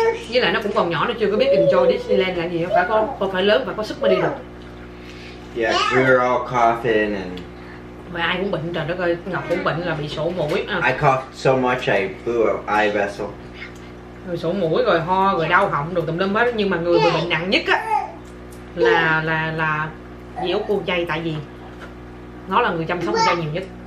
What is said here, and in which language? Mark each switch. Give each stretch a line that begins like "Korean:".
Vietnamese: Với lại nó cũng còn nhỏ, nó chưa có biết enjoy Disneyland là gì, phải có không, phải lớn và có sức mà đi được.
English: Yes, we were all coughing and.
Vietnamese: Mà ai cũng bệnh, trời đất ơi, Ngọc cũng bệnh là bị sổ mũi.
English: I coughed so much I blew an eye vessel.
Vietnamese: Rồi sổ mũi, rồi ho, rồi đau họng, đồ tùm lum hết. Nhưng mà người bệnh nặng nhất á là dì Út cô chay, tại vì nó là người chăm sóc cô chay nhiều nhất.